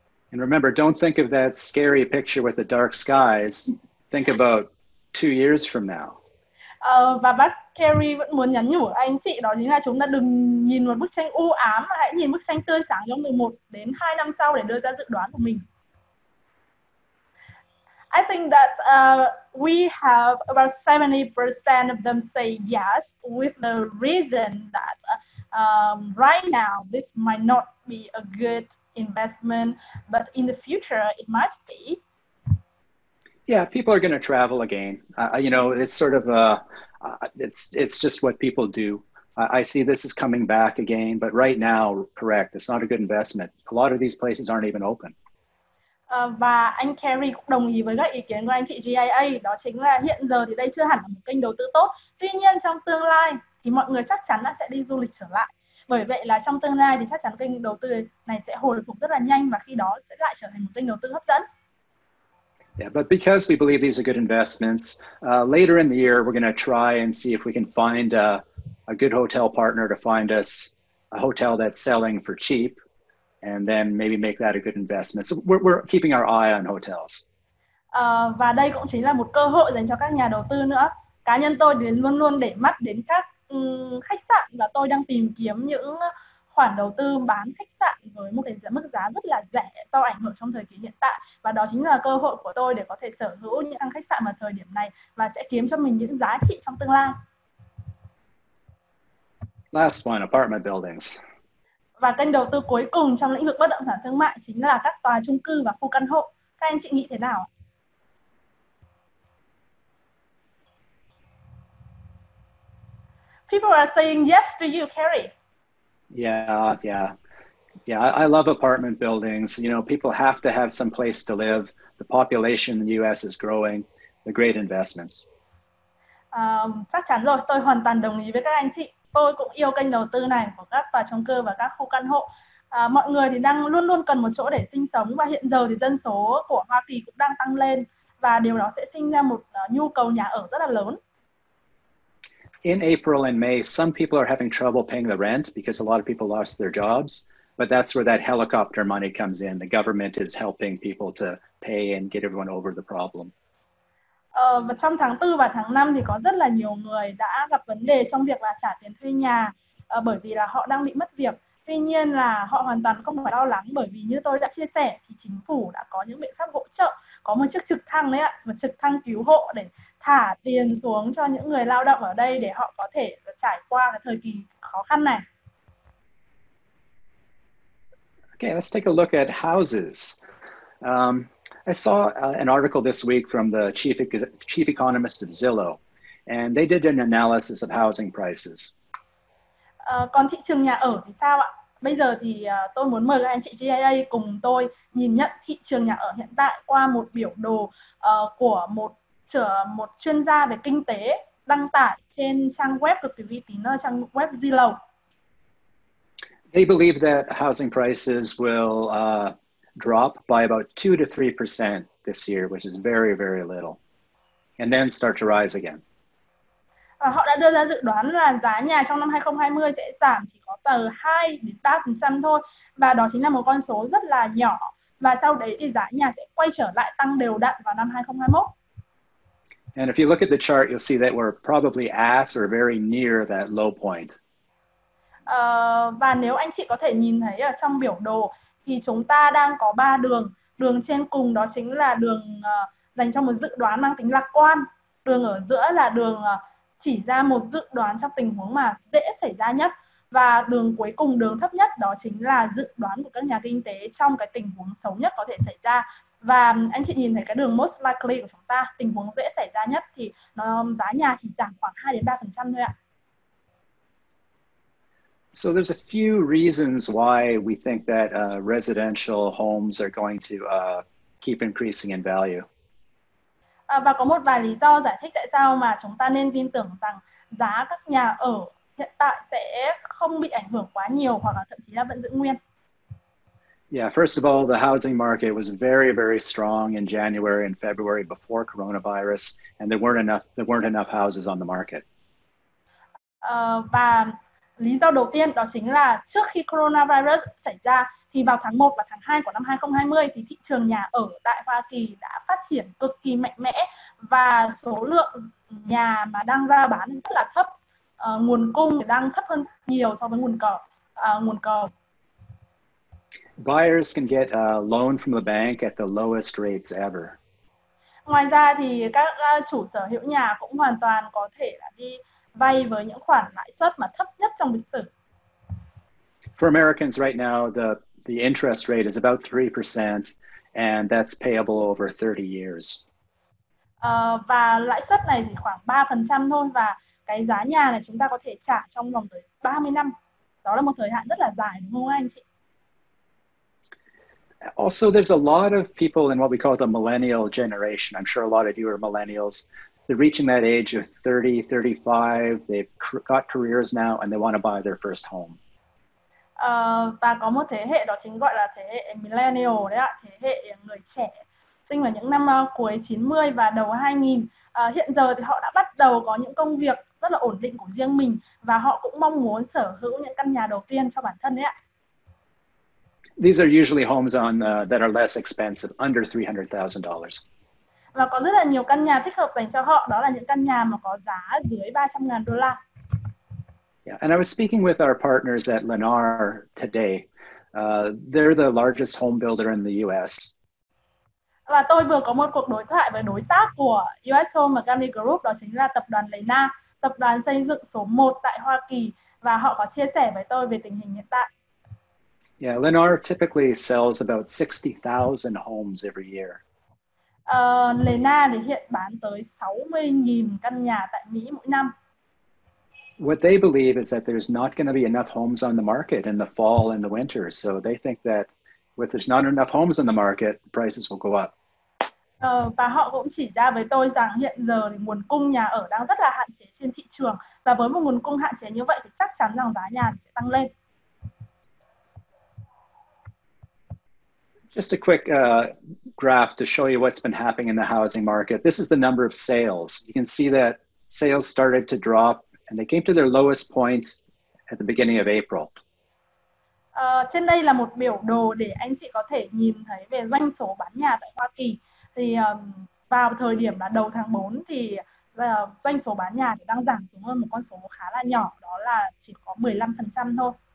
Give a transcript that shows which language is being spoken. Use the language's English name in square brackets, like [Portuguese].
[English] And remember, don't think of that scary picture with the dark skies. Think about 2 years from now. [Vietnamese] Và bác Kerry vẫn muốn nhắn nhủ anh chị đó chính là chúng ta đừng nhìn một bức tranh u ám mà hãy nhìn bức tranh tươi sáng trong 11 đến 2 năm sau để đưa ra dự đoán của mình. [English] I think that we have about 70% of them say yes with the reason that right now this might not be a good investment, but in the future it might be. Yeah, people are going to travel again. You know, it's sort of it's just what people do. I see this is coming back again, but right now, correct, it's not a good investment. A lot of these places aren't even open. [Vietnamese] Và anh Kerry cũng đồng ý với các ý kiến của anh chị GIA, đó chính là hiện giờ thì đây chưa hẳn là một kênh đầu tư tốt. Tuy nhiên trong tương lai thì mọi người chắc chắn là sẽ đi du lịch trở lại. Bởi vậy là trong tương lai thì chắc chắn kênh đầu tư này sẽ hồi phục rất là nhanh và khi đó sẽ lại trở thành một kênh đầu tư hấp dẫn. [English] Yeah, but because we believe these are good investments, later in the year we're going to try and see if we can find a good hotel partner to find us a hotel that's selling for cheap. And then maybe make that a good investment. So we're keeping our eye on hotels. [Vietnamese] Và đây cũng chính là một cơ hội dành cho các nhà đầu tư nữa. Cá nhân tôi đến luôn luôn để mắt đến các khách sạn và tôi đang tìm kiếm những khoản đầu tư bán khách sạn với một cái mức giá rất là rẻ do ảnh hưởng trong thời kỳ hiện tại. Và đó chính là cơ hội của tôi để có thể sở hữu những căn khách sạn vào thời điểm này và sẽ kiếm cho mình những giá trị trong tương lai. [English] Last one, apartment buildings. [Vietnamese] Và kênh đầu tư cuối cùng trong lĩnh vực bất động sản thương mại chính là các tòa chung cư và khu căn hộ. Các anh chị nghĩ thế nào? [English] People are saying yes to you, Kerry. Yeah. I love apartment buildings. You know, people have to have some place to live. The population in the US is growing. They're great investments. [Vietnamese] Chắc chắn rồi, tôi hoàn toàn đồng ý với các anh chị. Tôi cũng yêu kênh đầu tư này của các tòa chung cư và các khu căn hộ. Mọi người thì đang luôn luôn cần một chỗ để sinh sống và hiện giờ thì dân số của Hoa Kỳ cũng đang tăng lên và điều đó sẽ sinh ra một nhu cầu nhà ở rất là lớn. [English] In April and May, some people are having trouble paying the rent because a lot of people lost their jobs, but that's where that helicopter money comes in. The government is helping people to pay and get everyone over the problem. [Vietnamese] Và trong tháng 4 và tháng 5 thì có rất là nhiều người đã gặp vấn đề trong việc là trả tiền thuê nhà bởi vì là họ đang bị mất việc. Tuy nhiên là họ hoàn toàn không phải lo lắng bởi vì như tôi đã chia sẻ thì chính phủ đã có những biện pháp hỗ trợ, có một chiếc trực thăng đấy ạ, một trực thăng cứu hộ để thả tiền xuống cho những người lao động ở đây để họ có thể trải qua cái thời kỳ khó khăn này. [English] Okay, let's take a look at houses. I saw an article this week from the chief economist at Zillow, and they did an analysis of housing prices. [Vietnamese] Còn thị trường nhà ở thì sao ạ? Bây giờ thì tôi muốn mời các anh chị GIA cùng tôi nhìn nhận thị trường nhà ở hiện tại qua một biểu đồ của một chuyên gia về kinh tế đăng tải trên trang web cực kỳ uy tín, trang web Zillow. [English] They believe that housing prices will drop by about 2 to 3% this year, which is very, very little, and then start to rise again. [Vietnamese] Họ đã đưa ra dự đoán là giá nhà trong năm 2020 sẽ giảm chỉ có từ 2-3% thôi, và đó chính là một con số rất là nhỏ, và sau đấy thì giá nhà sẽ quay trở lại tăng đều đặn vào năm 2021. [English] And if you look at the chart, you'll see that we're probably at or very near that low point. [Vietnamese] Và nếu anh chị có thể nhìn thấy ở trong biểu đồ thì chúng ta đang có 3 đường. Đường trên cùng đó chính là đường dành cho một dự đoán mang tính lạc quan. Đường ở giữa là đường chỉ ra một dự đoán trong tình huống mà dễ xảy ra nhất. Và đường cuối cùng, đường thấp nhất đó chính là dự đoán của các nhà kinh tế trong cái tình huống xấu nhất có thể xảy ra. Và anh chị nhìn thấy cái đường [English] most likely [Vietnamese] của chúng ta, tình huống dễ xảy ra nhất thì nó, giá nhà chỉ giảm khoảng 2-3% thôi ạ. [English] So there's a few reasons why we think that residential homes are going to keep increasing in value. [Vietnamese] Và có một vài lý do giải thích tại sao mà chúng ta nên tin tưởng rằng giá các nhà ở hiện tại sẽ không bị ảnh hưởng quá nhiều hoặc là thậm chí là vẫn giữ nguyên. [English] Yeah, first of all, the housing market was very, very strong in January and February before coronavirus, and there weren't enough houses on the market. [Vietnamese] Và lý do đầu tiên đó chính là trước khi coronavirus xảy ra thì vào tháng 1 và tháng 2 của năm 2020 thì thị trường nhà ở tại Hoa Kỳ đã phát triển cực kỳ mạnh mẽ và số lượng nhà mà đang ra bán rất là thấp, nguồn cung đang thấp hơn nhiều so với nguồn cầu. [English] Buyers can get a loan from the bank at the lowest rates ever. [Vietnamese] Ngoài ra thì các chủ sở hữu nhà cũng hoàn toàn có thể là đi vay với những khoản lãi suất mà thấp nhất trong lịch sử. [English] For Americans right now, the interest rate is about 3%, and that's payable over 30 years. [Vietnamese] Và lãi suất này thì khoảng 3% thôi, và cái giá nhà này chúng ta có thể trả trong vòng tới 30 năm. Đó là một thời hạn rất là dài, đúng không anh chị? [English] Also, there's a lot of people in what we call the millennial generation. I'm sure a lot of you are millennials. They're reaching that age of 30, 35. They've got careers now, and they want to buy their first home. [Vietnamese] Và có một thế hệ đó chính gọi là thế hệ millennial đấy ạ, thế hệ người trẻ sinh vào những năm cuối 90 và đầu 2000. Hiện giờ thì họ đã bắt đầu có những công việc rất là ổn định của riêng mình và họ cũng mong muốn sở hữu những căn nhà đầu tiên cho bản thân đấy ạ. [English] These are usually homes on that are less expensive, under $300,000. [Vietnamese] Và có rất là nhiều căn nhà thích hợp dành cho họ, đó là những căn nhà mà có giá dưới $300,000. [English] Yeah, and I was speaking with our partners at Lennar today. They're the largest home builder in the U.S. [Vietnamese] Và tôi vừa có một cuộc đối thoại với đối tác của US Home Company Group, đó chính là tập đoàn Lennar, tập đoàn xây dựng số 1 tại Hoa Kỳ, và họ có chia sẻ với tôi về tình hình hiện tại. [English] Yeah, Lennar typically sells about 60,000 homes every year. [Vietnamese] Lennar thì hiện bán tới 60,000 căn nhà tại Mỹ mỗi năm. [English] What they believe is that there's not going to be enough homes on the market in the fall and the winter. So they think that if there's not enough homes on the market, prices will go up. [Vietnamese] Và họ cũng chỉ ra với tôi rằng hiện giờ thì nguồn cung nhà ở đang rất là hạn chế trên thị trường. Và với một nguồn cung hạn chế như vậy thì chắc chắn rằng giá nhà sẽ tăng lên. [English] Just a quick graph to show you what's been happening in the housing market. This is the number of sales. You can see that sales started to drop and they came to their lowest point at the beginning of April. [Vietnamese] Trên đây là một biểu đồ để anh chị có thể nhìn thấy về doanh số bán nhà tại Hoa Kỳ. Thì vào thời điểm là đầu tháng 4 thì doanh số bán nhà đang giảm xuống hơn một con số khá là nhỏ, đó là chỉ có 15% thôi.